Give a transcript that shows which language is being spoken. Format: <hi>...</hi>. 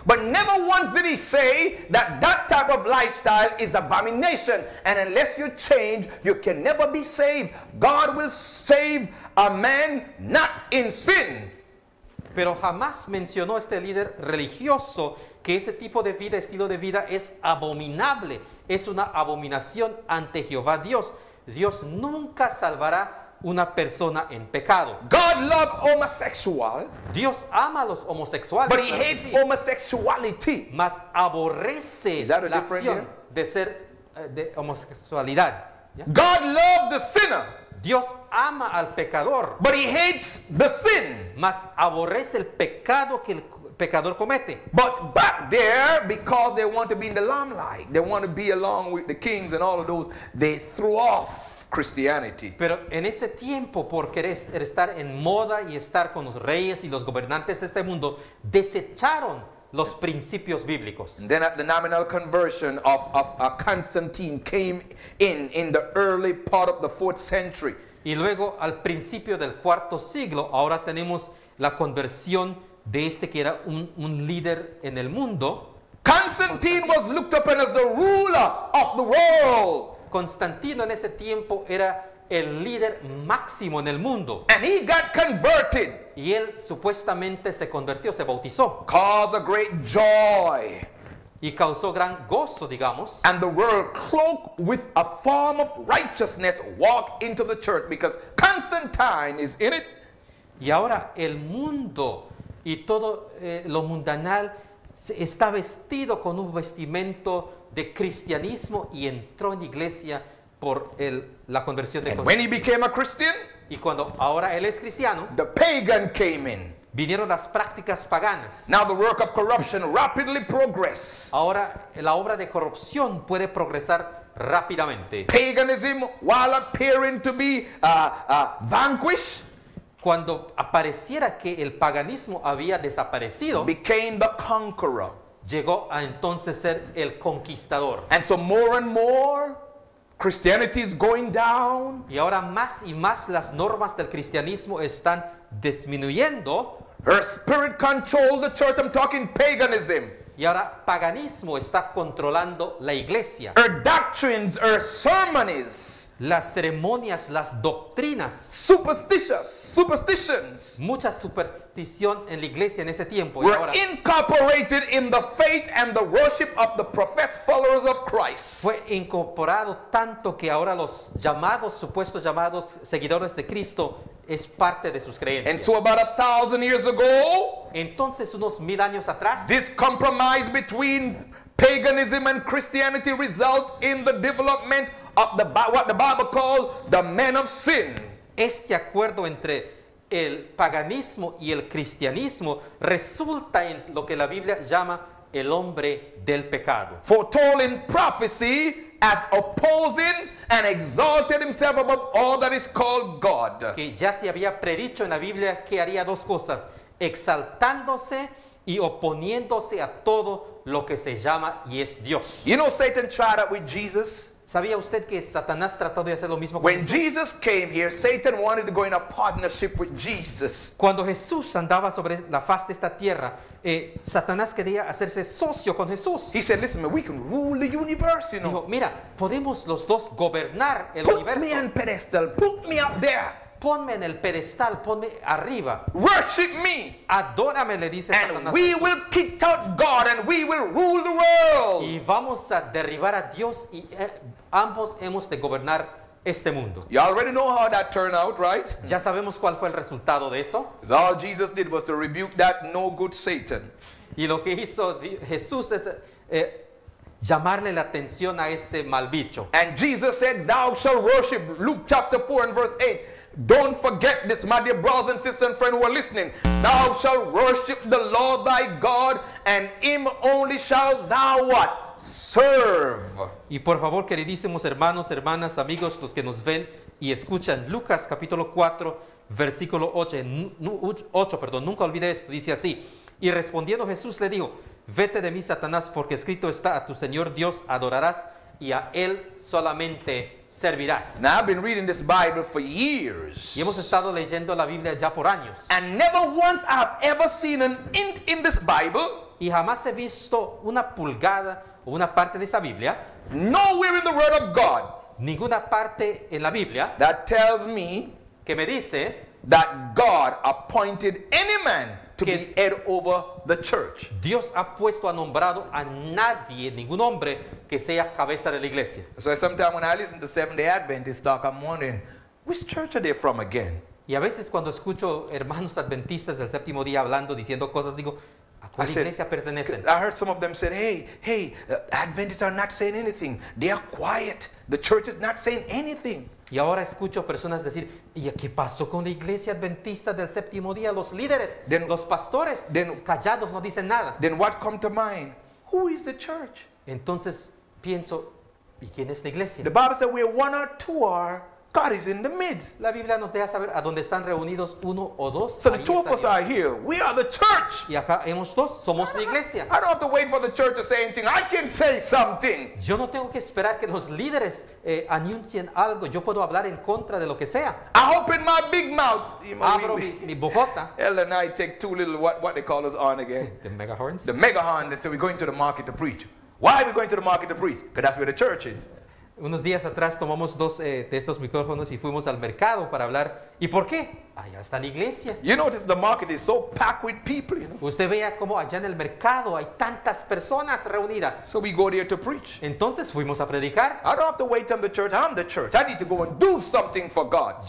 <en>But never once did he say that that type of lifestyle is abomination and unless you change, you can never be saved. God will save a man not in sin.</en> <es>Pero jamás mencionó este líder religioso que ese tipo de vida, estilo de vida es abominable. Es una abominación ante Jehová Dios. Dios nunca salvará una persona en pecado.</es> <en>God loves homosexual.</en> <es>Dios ama a los homosexuales.</es> <en>But he hates homosexuality.</en> <es>Mas aborrece la acción de ser de homosexualidad.</es> <en>Yeah? God loves the sinner.</en> <es>Dios ama al pecador.</es> <en>But he hates the sin.</en> <es>Mas aborrece el pecado que el pecador comete.</es> <en>But back there, because they want to be in the limelight, they want to be along with the kings and all of those, they threw off Christianity.</en> <es>Pero en ese tiempo, por querer estar en moda y estar con los reyes y los gobernantes de este mundo, desecharon los principios bíblicos.</es> <en>And then at the nominal conversion of Constantine came in the early part of the 4th century.</en> <es>Y luego al principio del cuarto siglo, ahora tenemos la conversión de este que era un líder en el mundo.</es> <en>Constantine was looked upon as the ruler of the world.</en> <es>Constantino en ese tiempo era el líder máximo en el mundo.</es> <en>And he got converted.</en> <es>Y él supuestamente se convirtió, se bautizó.</es> <en>Caused a great joy.</en> <es>Y causó gran gozo, digamos.</es> <en>And the world cloaked with a form of righteousness walked into the church because Constantine is in it.</en> <es>Y ahora el mundo y todo lo mundanal está vestido con un vestimento de cristianismo y entró en iglesia por el, la conversión de</es> <en>And when he became a Christian,</en> <es>y cuando ahora él es cristiano,</es> <en>the pagan came in.</en> <es>Vinieron las prácticas paganas.</es> <en>Now the work of corruption rapidly progress.</en> <es>Ahora la obra de corrupción puede progresar rápidamente.</es> <en>Paganism, while appearing to be vanquished,</en> <es>cuando apareciera que el paganismo había desaparecido,</es> <en>became the conqueror.</en> <es>Llegó a entonces ser el conquistador.</es> <en>And so more and more Christianity is going down.</en> <es>Y ahora más y más las normas del cristianismo están disminuyendo.</es> <en>Her spirit controlled the church. I'm talking paganism.</en> <es>Y ahora paganismo está controlando la iglesia.</es> <en>Her doctrines, her ceremonies.</en> <es>Las ceremonias, las doctrinas.</es> <en>Superstitions.</en> <es>Mucha superstición en la iglesia en ese tiempo.</es> <en>Were</en> <es>y ahora,</es> <en>incorporated in the faith and the worship of the professed followers of Christ.</en> <es>Fue incorporado tanto que ahora los llamados, supuestos llamados seguidores de Cristo es parte de sus creencias.</es> <en>And so about 1,000 years ago,</en> <es>entonces unos mil años atrás,</es> <en>this compromise between paganism and Christianity result in the development of the, what the Bible calls the man of sin.</en> <es>Este acuerdo entre el paganismo y el cristianismo resulta en lo que la Biblia llama el hombre del pecado.</es> <en>Foretold in prophecy as opposing and exalted himself above all that is called God.</en> <es>Que ya se había predicho en la Biblia que haría dos cosas, exaltándose y oponiéndose a todo lo que se llama y es Dios.</es> <en>You know Satan tried it with Jesus.</en> <es>¿Sabía usted que Satanás trató de hacer lo mismo con</es> <en>When Jesus came here, Satan wanted to go in a partnership with Jesus.</en> <es>Cuando Jesús andaba sobre la faz de esta tierra, Satanás quería hacerse socio con Jesús.</es> <en>He said, listen, we can rule the universe, you know.</en> <es>Dijo, mira, podemos los dos gobernar el</es> <en>Put</en> <es>universo.</es> <en>Put me on pedestal. Put me up there.</en> <es>Ponme en el pedestal, ponme arriba.</es> <en>Worship me.</en> <es>Adórame, le dice</es> <en>and</en> <es>Satanás.</es> <en>And we</en> <es>Jesús.</es> <en>Will kick out God and we will rule the world.</en> <es>Y vamos a derribar a Dios y ambos hemos de gobernar este mundo.</es> <en>You already know how that turned out, right?</en> <es>Ya sabemos cuál fue el resultado de eso.</es> <en>All Jesus did was to rebuke that no good Satan.</en> <es>Y lo que hizo Jesús es llamarle la atención a ese mal bicho.</es> <en>And Jesus said, thou shalt worship. Luke chapter 4 and verse 8. Don't forget this, my dear brothers and sisters and friends who are listening. Thou shalt worship the Lord thy God, and him only shalt thou what? Serve.</en> <es>Y por favor, queridísimos hermanos, hermanas, amigos, los que nos ven y escuchan, Lucas capítulo 4, versículo 8, perdón, nunca olvide esto, dice así. Y respondiendo Jesús le dijo, vete de mí, Satanás, porque escrito está, a tu Señor Dios adorarás, y a él solamente servirás.</es> <en>Now I've been reading this Bible for years.</en> <es>Y hemos estado leyendo la Biblia ya por años.</es> <en>And never once I've ever seen an int in this Bible.</en> <es>Y jamás he visto una pulgada o una parte de esa Biblia.</es> <en>Nowhere in the Word of God.</en> <es>Ninguna parte en la Biblia.</es> <en>That tells me.</en> <es>Que me dice.</es> <en>That God appointed any man to be head over the church.</en> <es>Dios ha puesto, ha nombrado a nadie, ningún hombre, que sea cabeza de la iglesia.</es> <en>So sometimes when I listen to Seventh-day Adventist talk, I'm wondering, which church are they from again?</en> <es>Y a veces cuando escucho hermanos adventistas del séptimo día hablando, diciendo cosas, digo, ¿a cuál iglesia pertenecen?</es> <en>I heard some of them say, hey, Adventists are not saying anything. They are quiet. The church is not saying anything.</en> <es>Y ahora escucho personas decir, ¿y qué pasó con la iglesia adventista del séptimo día? Los líderes, los pastores, callados, no dicen nada.</es> <en>Then what come to mind? Who is the church?</en> <es>Entonces pienso, ¿y quién es la iglesia?</es> <en>The Bible says where one or two are, God is in the midst.</en> <es>La Biblia nos deja saber a dónde están reunidos uno o dos.</es> <en>So the two of us are here. We are the church.</en> <es>Y acá hemos dos, somos la iglesia.</es> <en>I don't have to wait for the church to say anything. I can say something.</en> <es>Yo no tengo que esperar que los líderes anuncien algo. Yo puedo hablar en contra de lo que sea.</es> <en>I open my big mouth.</en> <es>Abro mi bocota.</es> <en>Ella and I take two little, what they call us on again. The mega horns. The mega horn. So we're going to the market to preach. Why are we going to the market to preach? Because that's where the church is.</en> <es>Unos días atrás tomamos dos de estos micrófonos y fuimos al mercado para hablar. ¿Y por qué? Allá está la iglesia.</es> <en>You notice the market is so packed with people, you know?</en> <es>Usted vea cómo allá en el mercado hay tantas personas reunidas.</es> <en>So we go there to preach.</en> <es>Entonces fuimos a predicar.</es> <en>I don't have to wait on the church. I'm the church. I need to go and do something for God.</en>